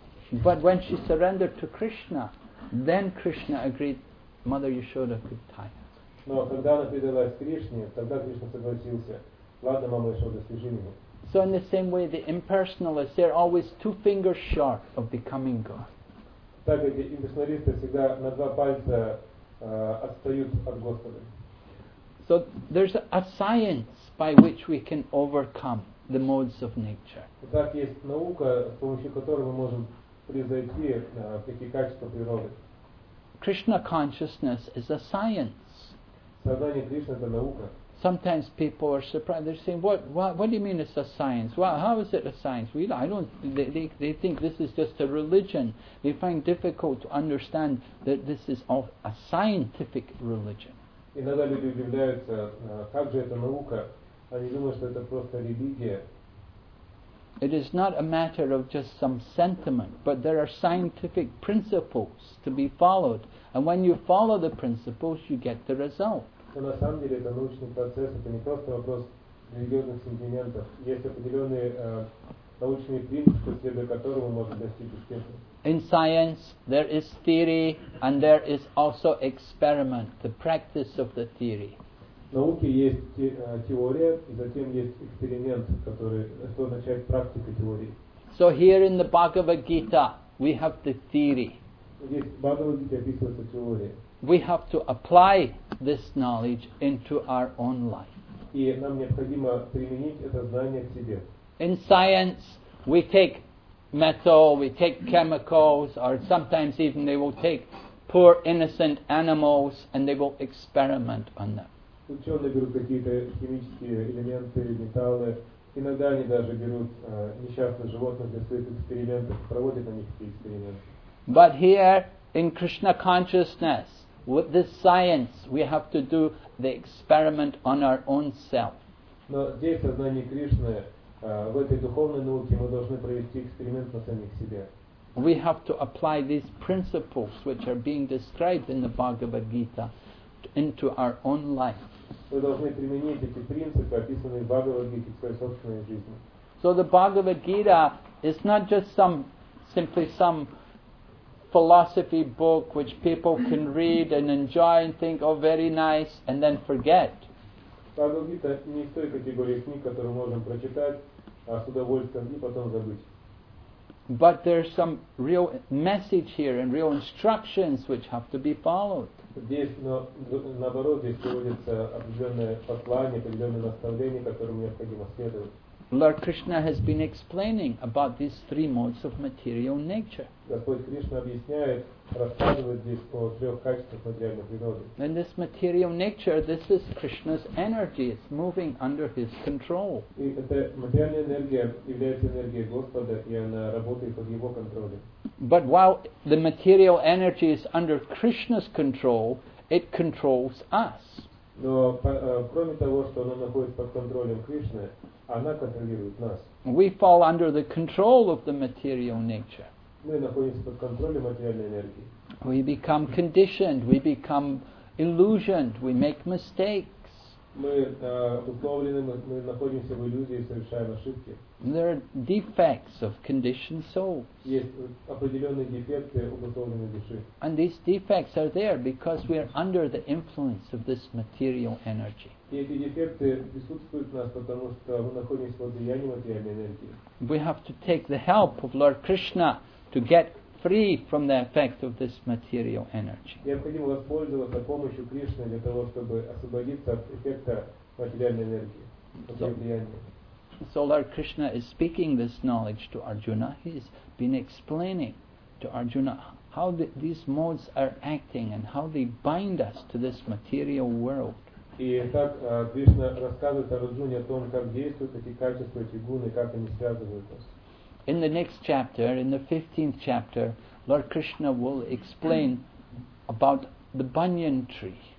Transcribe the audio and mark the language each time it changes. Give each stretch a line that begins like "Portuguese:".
English: But when she surrendered to Krishna, then Krishna agreed Mother Yashoda could tie her.
Russian: Но когда она передалась Кришне, тогда Кришна согласился. Ладно, Мама Яшода, свяжи меня.
English: So in the same way, the impersonalists, they're always two fingers short of becoming God.
Russian: Так эти имперсоналисты всегда на два пальца отстают от Господа.
English: So there's a science by which we can overcome the modes of nature.
Russian: Итак, есть наука, с помощью которой мы можем превзойти такие качества природы.
English: Krishna consciousness is a science.
Russian: Сознание Кришны — это наука.
English: Sometimes people are surprised. They're saying, what do you mean it's a science? Well, how is it a science? Well, I don't. They think this is just a religion. They find difficult to understand that this is all a scientific religion.
Russian: Иногда люди удивляются, как же это наука? Они думают, что это просто религия.
English: It is not a matter of just some sentiment, but there are scientific principles to be followed. And when you follow the principles, you get the result.
Russian: Но на самом деле это научный процесс, это не просто вопрос религиозных сантиментов. Есть определенные научные принципы, следуя которым мы можем достичь успеха.
English: In science there is theory and there is also experiment, the practice of the theory.
Russian: В науке есть теория и затем есть эксперимент, который означает практика теории.
English: So here in the Bhagavad Gita we have the theory.
Russian: Здесь в Бхагавад Гите описывается теория.
English: We have to apply this knowledge into our own life.
Russian: И нам необходимо применить это знание к себе.
English: In science, we take metal, we take chemicals, or sometimes even they will take poor innocent animals and they will experiment on them.
Russian: Ученые берут какие-то химические элементы, металлы. Иногда они даже берут несчастных животных для своих экспериментов, проводят на них эти эксперименты.
English: But here, in Krishna consciousness, with this science, we have to do the experiment on our own self.
Russian: Но здесь, в сознании Кришны, в этой духовной науке, мы должны провести эксперимент на самих себе.
English: We have to apply these principles, which are being described in the Bhagavad Gita, into our own life.
Russian: Мы должны применить эти принципы, описанные в Бхагавад Гите, в своей собственной жизни.
English: So the Bhagavad Gita is not just simply some philosophy book which people can read and enjoy and think, oh, very nice, and then forget.
Russian: Бхагавад-гита не из той категории книг, которую можем прочитать, а с удовольствием и потом забыть.
English: But there's some real message here and real instructions which have to be followed.
Russian: Здесь, но наоборот, здесь приводится определенное послание, определенное наставление, которому необходимо следовать.
English: Lord Krishna has been explaining about these three modes of material nature.
Russian: Господь Кришна объясняет, рассказывает здесь о трех качествах материальной природы.
English: And this material nature, this is Krishna's energy. It's moving under His control.
Russian: И эта материальная энергия является энергией Господа, и она работает под Его контролем.
English: But while the material energy is under Krishna's control, it controls us.
Russian: Но кроме того, что она находится под контролем Кришны, она контролирует нас.
English: We fall under the control of the material nature.
Russian: Мы находимся под контролем материальной энергии.
English: We become conditioned, we become illusioned, we make mistakes.
Russian: Мы условлены, мы находимся в иллюзии и совершаем ошибки.
English: There are defects of conditioned souls.
Russian: Есть определенные дефекты обусловленной души.
English: And these defects are there because we are under the influence of this material energy.
Russian: И эти дефекты присутствуют в нас, потому что мы находимся под влиянием материальной энергии.
English: We have to take the help of Lord Krishna to get free from the effect of this material energy.
Russian: Необходимо воспользоваться помощью Кришны для того, чтобы освободиться от эффекта материальной энергии, от ее влияния.
English: So Lord Krishna is speaking this knowledge to Arjuna. He's been explaining to Arjuna how these modes are acting and how they bind us to this material world.
Russian: И так Кришна рассказывает Арджуне о том, как действуют эти качества, эти гуны, как они связывают нас.
English: In the next chapter, in the 15th chapter, Lord Krishna will explain about the banyan tree.